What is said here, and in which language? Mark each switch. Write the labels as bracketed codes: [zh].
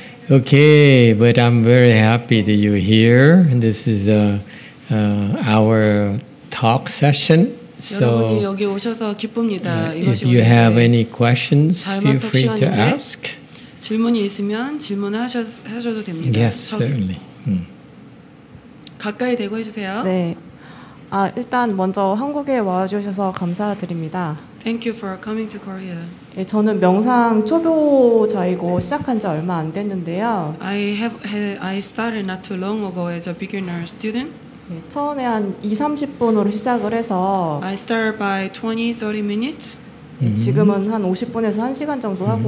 [en] Okay, but I'm very happy that you're here. This is our talk session. [ko] So, 여러분이 여기 오셔서 기쁩니다. [en] If you have any questions, feel free to ask. [ko] 질문이 있으면 질문을 하셔도 됩니다. [en] Yes, certainly. [ko] 가까이 대고 해주세요. 네. 아 일단 먼저 한국에 와주셔서 감사드립니다. [en] Thank you for coming to Korea. [ko] 예, 저는 명상 초보자이고 시작한 지 얼마 안 됐는데요. [en] I started not too long ago as a beginner student. [ko] 예, 처음에 한 20, 30분으로 시작을 해서 [en] I started by 20, 30 minutes. 예, [ko] 지금은 한 50분에서 1시간 정도 하고